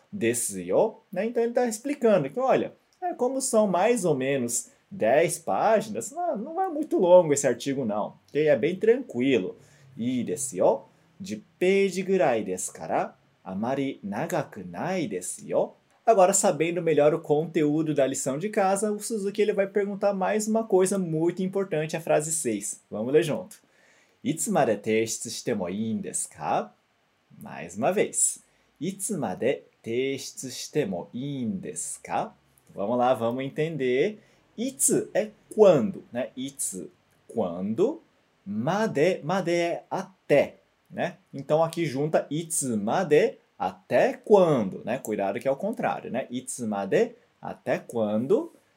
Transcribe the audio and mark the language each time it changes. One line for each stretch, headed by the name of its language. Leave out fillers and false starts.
Japanese: Desse yo,
Portuguese: né? Então ele está explicando que, olha, é como são mais ou menos 10 páginas, não é muito longo esse artigo, não, okay? É bem tranquilo.
Japanese: E desse yo, de page gurai desu kara, amari nagaku nai desu yo.
Portuguese: Agora, sabendo melhor o conteúdo da lição de casa, o Suzuki ele vai perguntar mais uma coisa muito importante, a frase 6. Vamos ler junto.
Japanese: いつまで提出してもいいんですか?
Portuguese: Mais uma vez.
Japanese: いつまで提出してもいいんですか?
Portuguese: Vamos lá, vamos entender. いつ é quando, né? いつ, quando. まで, made é até, né? Então, aqui junta いつまで, até quando, né? Cuidado que é o contrário, né? いつまで, até quando.